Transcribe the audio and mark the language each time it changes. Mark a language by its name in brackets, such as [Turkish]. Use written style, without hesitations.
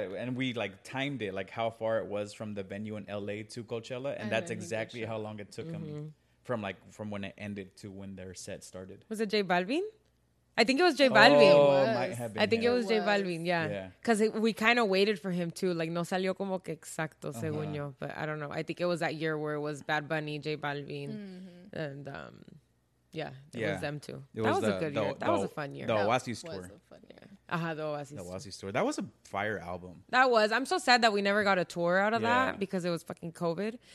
[English] And we like timed it, like how far it was from the venue in LA to Coachella. And that's exactly how long it took mm-hmm. him from when it ended to when their set started. Was it J Balvin? I think it was J Balvin. Oh, might have been. I think it was J Balvin, yeah. Because we kind of waited for him too. [Spanish] Like, no salió como que exacto, según yo. [English] But I don't know. I think it was that year where it was Bad Bunny, J Balvin. Mm-hmm. And, Yeah, it was them too. That was a good year. That was a fun year. The Oasis tour. The Oasis tour. That was a fire album. That was. I'm so sad that we never got a tour out of that because it was fucking COVID.